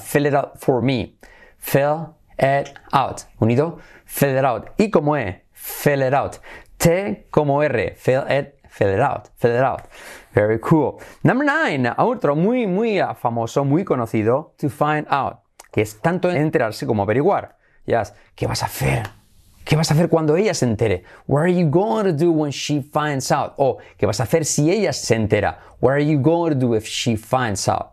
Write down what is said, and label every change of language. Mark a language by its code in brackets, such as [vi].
[en] Fill it out for me. Fill it out. Unido. Fill it out. [es] I como E. [en] Fill it out. [es] T como R. [en] Fill it. Fill it out. Fill it out. Very cool. Number nine. [es] Otro muy, muy famoso, muy conocido. [en] To find out. [es] Que es tanto enterarse como averiguar. Yes. ¿Qué vas a hacer? ¿Qué vas a hacer cuando ella se entere? [en] What are you going to do when she finds out? [es] O, ¿qué vas a hacer si ella se entera? [en] What are you going to do if she finds out?